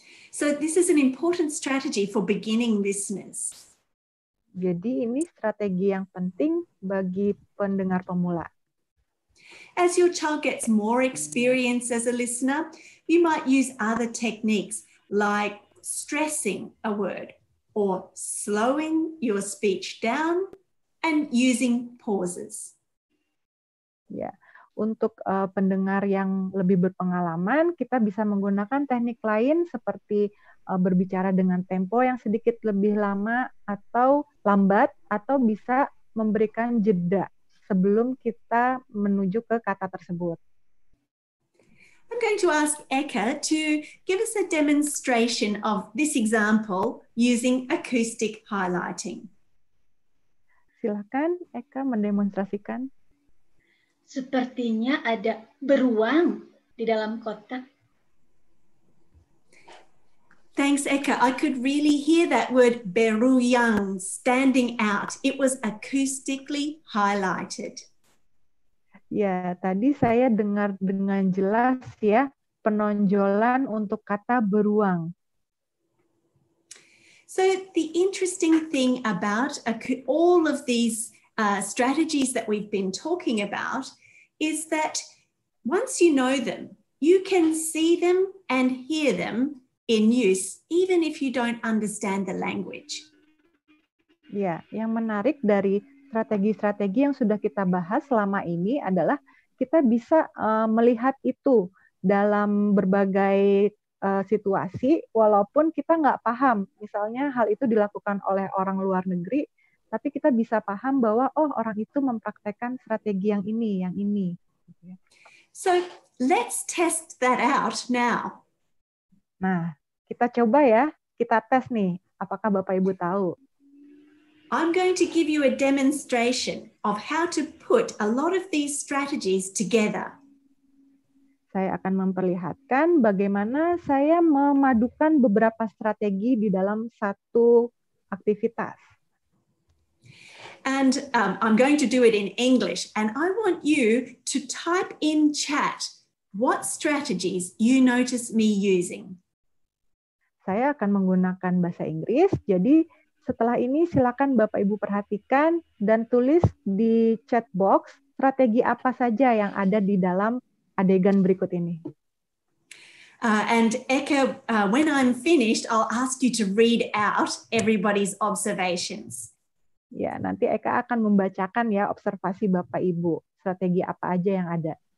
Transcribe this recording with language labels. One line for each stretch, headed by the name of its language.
English: So this is an important strategy for beginning listeners.
Indonesian: Jadi ini strategi yang penting bagi pendengar pemula.
English: As your child gets more experience as a listener, you might use other techniques like stressing a word or slowing your speech down and using pauses.
Indonesian: Ya, untuk pendengar yang lebih berpengalaman, kita bisa menggunakan teknik lain seperti berbicara dengan tempo yang sedikit lebih lama atau lambat, atau bisa memberikan jeda sebelum kita menuju ke kata tersebut.
English: I'm going to ask Eka to give us a demonstration of this example using acoustic highlighting.
Indonesian: Silakan Eka mendemonstrasikan. Sepertinya ada beruang di dalam kotak.
English: Thanks, Eka. I could really hear that word beruang standing out. It was acoustically highlighted.
Indonesian: Ya, tadi saya dengar dengan jelas ya penonjolan untuk kata beruang.
English: So the interesting thing about all of these strategies that we've been talking about is that once you know them, you can see them and hear them in use, even if you don't understand the language.
Indonesian: Ya, yang menarik dari strategi-strategi yang sudah kita bahas selama ini adalah kita bisa melihat itu dalam berbagai situasi, walaupun kita nggak paham, misalnya hal itu dilakukan oleh orang luar negeri, tapi kita bisa paham bahwa, oh, orang itu mempraktekkan strategi yang ini.
English: So, let's test that out now.
Indonesian: Nah, kita coba ya, kita tes nih, apakah Bapak-Ibu tahu.
English: I'm going to give you a demonstration of how to put a lot of these strategies together.
Indonesian: Saya akan memperlihatkan bagaimana saya memadukan beberapa strategi di dalam satu aktivitas.
English: And I'm going to do it in English, and I want you to type in chat what strategies you notice me using.
Indonesian: Saya akan menggunakan bahasa Inggris, jadi setelah ini silakan Bapak Ibu perhatikan dan tulis di chat box strategi apa saja yang ada di dalam adegan berikut ini.
English: And Eka, when I'm finished, I'll ask you to read out everybody's observations.
Indonesian: Ya, nanti Eka akan membacakan ya observasi Bapak Ibu, strategi apa aja yang ada.